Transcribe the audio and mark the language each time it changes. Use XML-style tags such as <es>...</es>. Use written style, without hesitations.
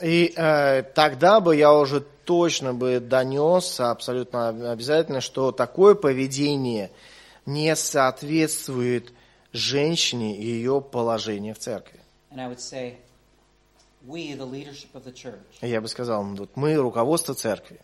<ru>И тогда бы я уже точно бы донес абсолютно обязательно, что такое поведение не соответствует женщине и ее положению в церкви.</ru> <en>And I would say, we, the leadership of the church,</en> <ru>и я бы сказал, вот мы, руководство церкви,</ru>